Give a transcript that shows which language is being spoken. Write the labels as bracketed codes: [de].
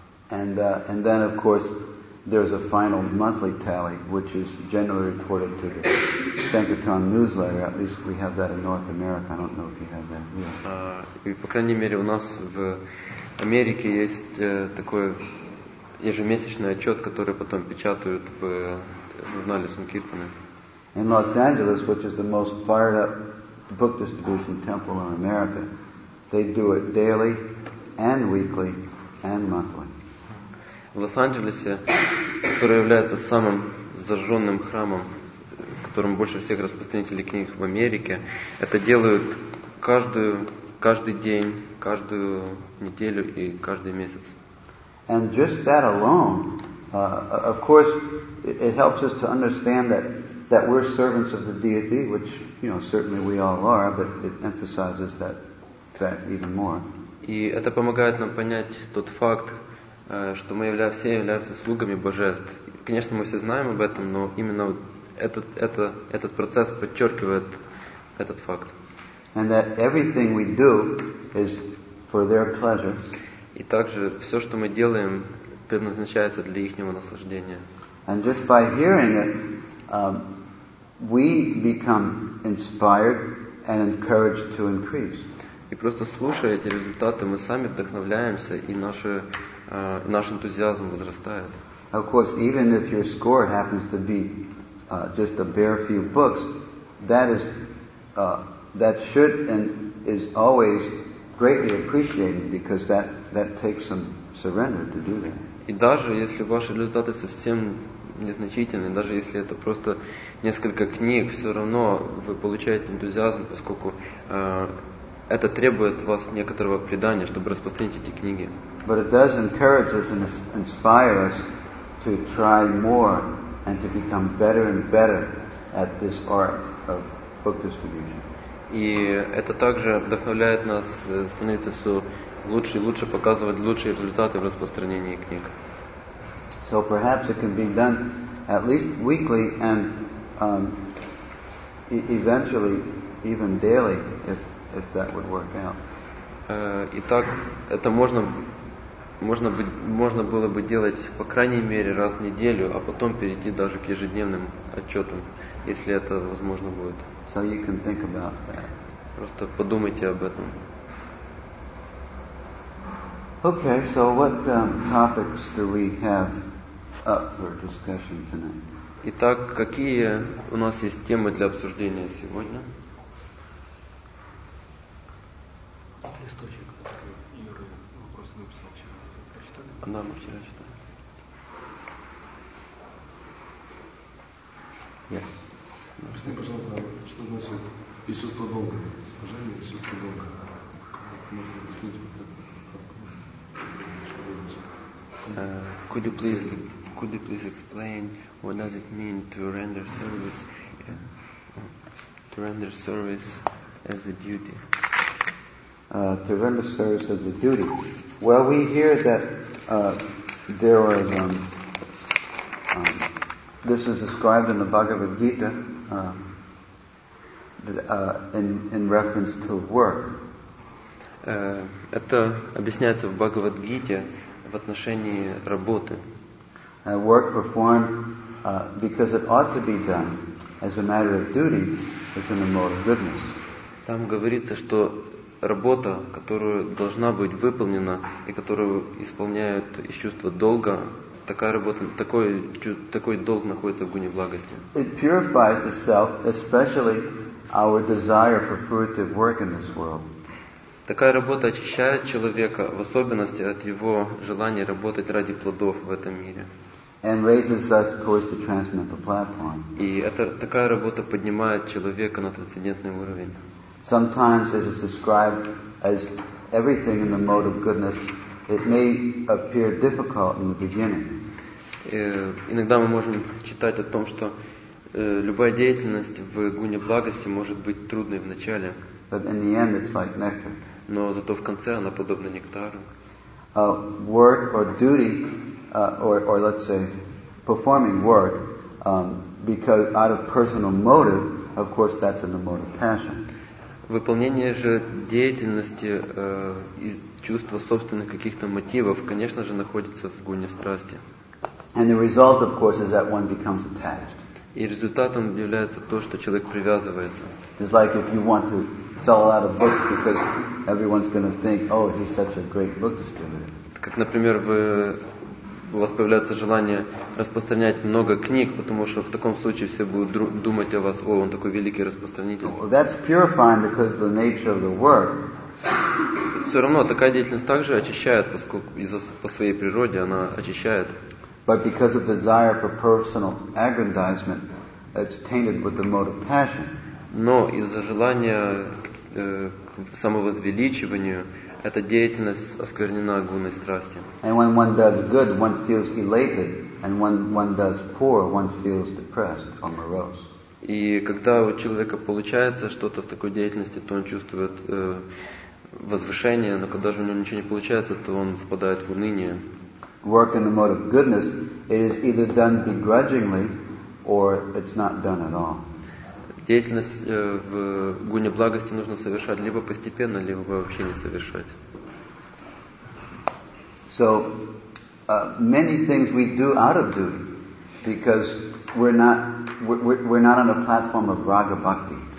[en] And then, of course, there's a final monthly tally, which is generally reported to the Sankirtan newsletter. At least we have that in North America. I don't know if you have that here. [ru] И по крайней мере у нас в Америке есть такой ежемесячный отчет, который потом печатают в журнале Санкиртаны. [en] In Los Angeles, which is the most fired-up book distribution temple in America, they do it daily, and weekly, and monthly. [ru] В Лос-Анджелесе, который является самым зажженным храмом, в котором больше всех распространителей книг в Америке, это делают каждый день, каждую неделю и каждый месяц. [en] And just that alone, of course, it helps us to understand that that we're servants of the deity, which, you know, certainly we all are, but it emphasizes that fact even more. [ru] И это помогает нам понять тот факт, что мы все являемся слугами божеств. Конечно, мы все знаем об этом, но именно этот процесс подчеркивает этот факт. [en] And that everything we do is for their pleasure. [ru] И также все, что мы делаем, предназначается для ихнего наслаждения. [en] And just by hearing it, we become inspired and encouraged to increase. [ru] И просто слушая эти результаты, мы сами вдохновляемся, и наш энтузиазм возрастает. [en] Of course, even if your score happens to be just a bare few books, that should and is always greatly appreciated because that takes some surrender to do that. [ru] И даже если ваши результаты совсем незначительны, даже если это просто несколько книг, все равно вы получаете энтузиазм, поскольку это требует вас некоторого предания, чтобы распространить эти книги. [en] But it does encourage us and inspire us to try more and to become better and better at this art of book distribution. [ru] И это также вдохновляет нас становиться все лучше и лучше, показывать лучшие результаты в распространении книг. [en] So perhaps it can be done at least weekly and eventually even daily if that would work out. [ru] Итак, это можно было бы делать по крайней мере раз в неделю, а потом перейти даже к ежедневным отчетам, если это возможно будет. [en] So you can think about that. [ru] Просто подумайте об этом. [en] Okay, so what topics do we have up for discussion tonight? [ru] Итак, какие у нас есть темы для обсуждения сегодня? Листочек, Юра вопрос написал вчера. Прочитали? Да, мы вчера читали. [en] Yes. [ru] Объясни, пожалуйста, что значит присутство долга, служение, присутство долга. Можно объяснить вот это? [en] Could you please explain what does it mean to render service as a duty? To render service as a duty. Well, we hear that there are this is described in the Bhagavad Gita in reference to work. [ru] Это объясняется в Бхагавад-гите в отношении работы. [en] Work performed because it ought to be done as a matter of duty is in the mode of goodness. [ru] Там говорится, что работа, которую должна быть выполнена и которую исполняют из чувства долга, такая работа, такой долг находится в гуне благости. [en] It purifies the self, especially our desire for fruitive work in this world. [ru] Такая работа очищает человека, в особенности от его желания работать ради плодов в этом мире. [en] And raises us towards the transcendental platform. [ru] И такая работа поднимает человека на трансцендентный уровень. [en] Sometimes it is described as everything in the mode of goodness. It may appear difficult in the beginning. [ru] Иногда мы можем читать о том, что любая деятельность в гуне благости может быть трудной в начале. [en] But in the end, it's like nectar. [ru] Но зато в конце она подобна нектару. [en] Work or duty, or let's say, performing work, because out of personal motive, of course, that's in the mode of passion. [ru] Выполнение же деятельности из чувства собственных каких-то мотивов, конечно же, находится в гуне страсти. [en] And the result, of course, is that one becomes attached. [ru] И результатом является то, что человек привязывается. [en] It's like if you want to sell a lot of books because everyone's going to think, oh, he's such a great book distributor. [ru] Как, например, у вас появляется желание распространять много книг, потому что в таком случае все будут думать о вас, о, он такой великий распространитель. [en] Well, that's purifying because of the nature of the work. [ru] Все равно такая деятельность также очищает, поскольку по своей природе она очищает. [en] But because of the desire for personal aggrandizement, it's tainted with the mode of passion. [ru] Но из-за желания к самовозвеличиванию эта деятельность осквернена гуной страсти. [en] And when one does good, one feels elated, and when one does poor, one feels depressed or morose. [ru] И когда у человека получается что-то в такой деятельности, то он чувствует возвышение, но когда же у него ничего не получается, то он впадает в уныние. [en] Work in the mode of goodness, it is either done begrudgingly or it's not done at all. [ru] Деятельность в гуне благости нужно совершать либо постепенно, либо вообще не совершать. [en] So, many things we do out of duty because we're not on a platform of raga bhakti.